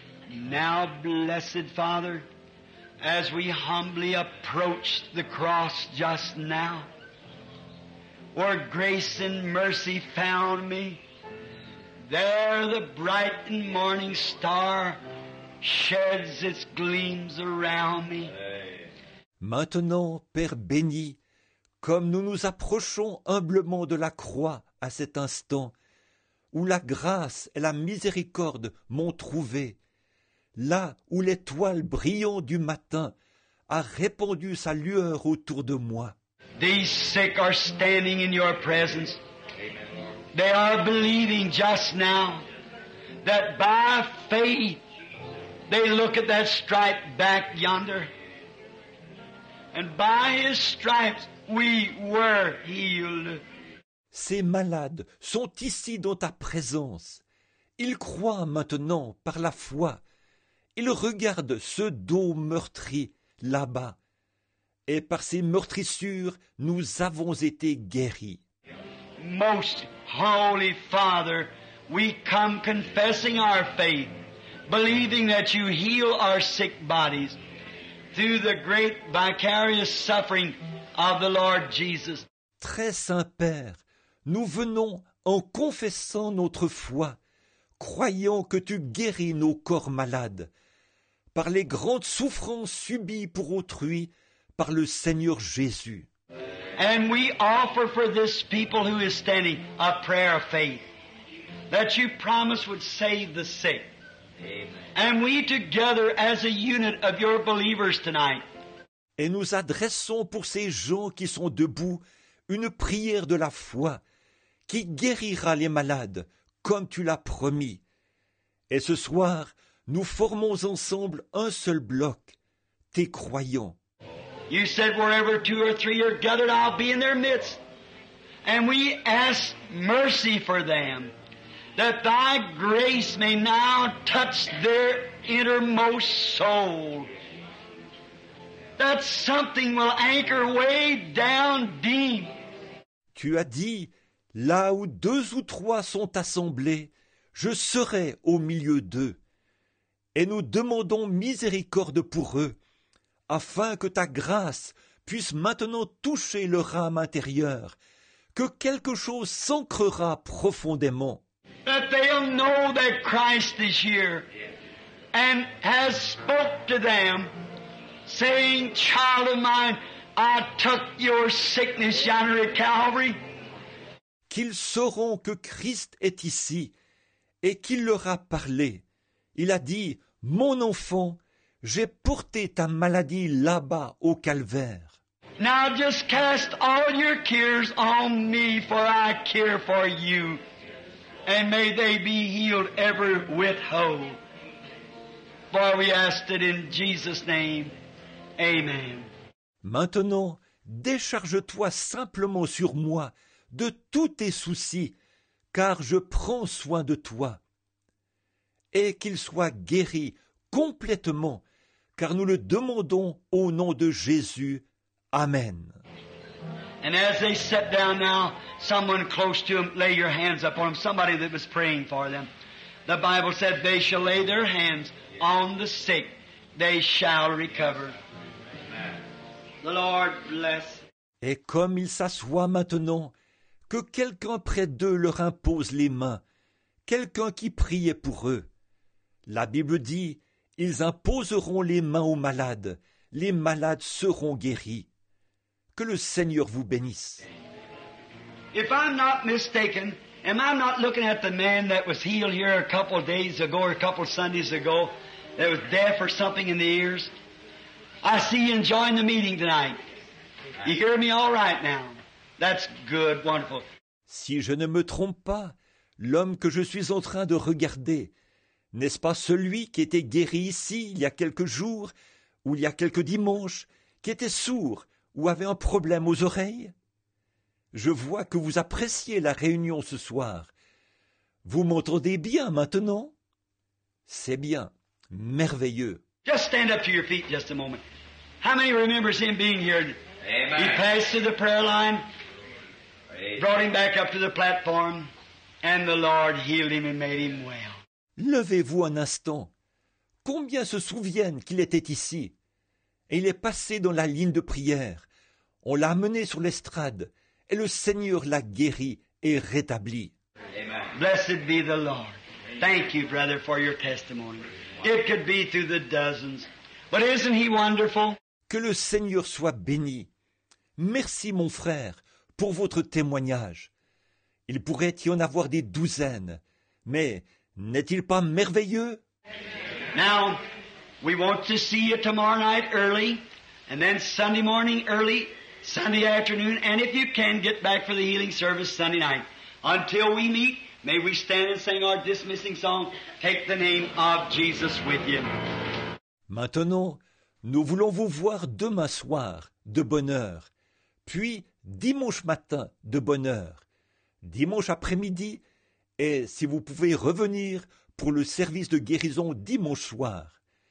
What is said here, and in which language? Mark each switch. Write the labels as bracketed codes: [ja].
[en] Now, blessed Father, as we humbly approach the cross just now, where grace and mercy found me, there the bright and morning star sheds its gleams around me. [fr] Maintenant, Père béni, comme nous nous approchons humblement de la croix, à cet instant où la grâce et la miséricorde m'ont trouvé, là où l'étoile brillante du matin a répandu sa lueur autour de moi. [en] These sick are standing in your presence. They are believing just now that by faith they look at that stripe back yonder. And by his stripes we were healed. [fr] Ces malades sont ici dans ta présence. Ils croient maintenant par la foi. Ils regardent ce dos meurtri là-bas. Et par ces meurtrissures, nous avons été guéris. [en] Most holy Father, we come confessing our faith, believing that you heal our sick bodies through the great vicarious suffering of the Lord Jesus. [fr] Très saint Père, nous venons en confessant notre foi, croyant que tu guéris nos corps malades par les grandes souffrances subies pour autrui par le Seigneur Jésus. [en] And we offer for this people who is standing a prayer of faith that you promised would save the sick. Amen. And we together as a unit of your believers tonight. [fr] Et nous adressons pour ces gens qui sont debout une prière de la foi qui guérira les malades, comme tu l'as promis. Et ce soir, nous formons ensemble un seul bloc, tes croyants. [en] You said wherever two or three are gathered, I'll be in their midst. And we ask mercy for them. that thy grace may now touch their innermost soul. That something will anchor way down deep. [fr] Tu as dit, là où deux ou trois sont assemblés, je serai au milieu d'eux. Et nous demandons miséricorde pour eux, afin que ta grâce puisse maintenant toucher leur âme intérieure, que quelque chose s'ancrera profondément. [en] That they'll know that Christ is here and has spoke to them, saying, child of mine, I took your sickness yonder at Calvary. [fr] Qu'ils sauront que Christ est ici et qu'il leur a parlé. Il a dit, mon enfant, j'ai porté ta maladie là-bas au calvaire. [en] Now just cast all your cares on me, for I care for you. And may they be healed ever with hope. For we ask it in Jesus' name. Amen. [fr] Maintenant, décharge-toi simplement sur moi de tous tes soucis, car je prends soin de toi. Et qu'il soit guéri complètement, car nous le demandons au nom de Jésus. Amen. [en] And as they sat down now, someone close to them, lay your hands upon them, somebody that was praying for them. The Bible said, they shall lay their hands on the sick, they shall recover. The Lord bless. [fr] Et comme ils s'assoient maintenant, que quelqu'un près d'eux leur impose les mains, quelqu'un qui priait pour eux. La Bible dit, ils imposeront les mains aux malades, les malades seront guéris. Que le Seigneur vous bénisse. [en] If I'm not mistaken, am I not looking at the man that was healed here a couple of days ago or a couple of Sundays ago that was deaf or something in the ears? I see you enjoying the meeting tonight. You hear me all right now. That's good, wonderful. [fr] Si je ne me trompe pas, l'homme que je suis en train de regarder, n'est-ce pas celui qui était guéri ici il y a quelques jours ou il y a quelques dimanches, qui était sourd ou avait un problème aux oreilles? Je vois que vous appréciez la réunion ce soir. Vous m'entendez bien maintenant? C'est bien. Merveilleux. [en] Just stand up to your feet just a moment. How many remembers him being here? Amen. He passed through the prayer line, brought him back up to the platform, and the Lord healed him and made him well. [fr] Levez-vous un instant. Combien se souviennent qu'il était ici? Et il est passé dans la ligne de prière. On l'a amené sur l'estrade. Et le Seigneur l'a guéri et rétabli. [en] Blessed be the Lord. Thank you, brother, for your testimony. It could be through the dozens. But isn't he wonderful? [fr] Que le Seigneur soit béni. Merci, mon frère, pour votre témoignage. Il pourrait y en avoir des douzaines. Mais n'est-il pas merveilleux? [en] Now, we want to see you tomorrow night early, and then Sunday morning early. Sunday afternoon, and if you can, get back for the healing service Sunday night. Until we meet, may we stand and sing our dismissing song, Take the Name of Jesus with you. [fr] Maintenant, nous voulons vous voir demain soir, de bonne heure, puis dimanche matin, de bonne heure, dimanche après-midi, et si vous pouvez revenir pour le service de guérison dimanche soir.